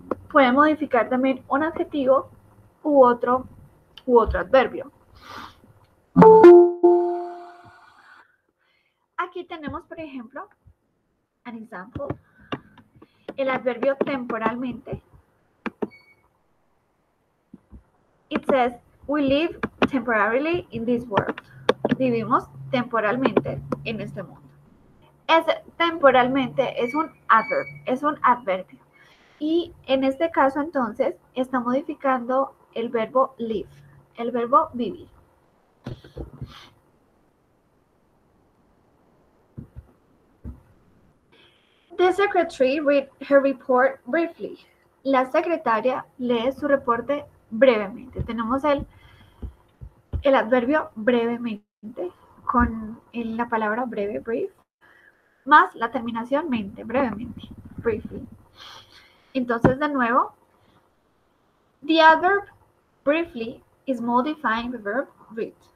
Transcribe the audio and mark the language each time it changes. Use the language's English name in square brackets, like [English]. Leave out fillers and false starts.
[Spanish] Puede modificar también un adjetivo u otro adverbio. Aquí tenemos, por ejemplo, an example, el adverbio temporalmente. [English] It says, we live temporarily in this world. [Spanish] Vivimos temporalmente en este mundo. Temporalmente es un adverb, es un adverbio. Y en este caso, entonces, está modificando el verbo live, el verbo vivir. [English] The secretary read her report briefly. [Spanish] La secretaria lee su reporte brevemente. Tenemos el adverbio brevemente con la palabra breve, brief, más la terminación mente, brevemente, briefly. Entonces, de nuevo, [English] the adverb briefly is modifying the verb read.